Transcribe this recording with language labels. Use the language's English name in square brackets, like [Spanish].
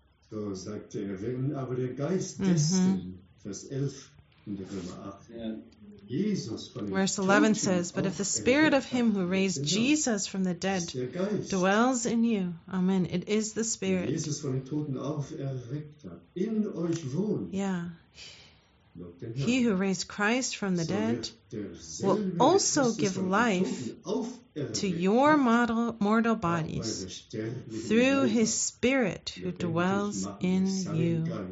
[German] So sagt er, wenn aber der Geist dessen, Vers 11 in der Römer 8, Jesus von [English] Verse 11 says, but if the spirit of him who raised Jesus from the dead dwells in you, amen, it is the spirit. [German] Jesus von den Toten auferweckt hat, in euch wohnt. Yeah. [English] He who raised Christ from the dead will also give life to your mortal bodies through his spirit who dwells in you.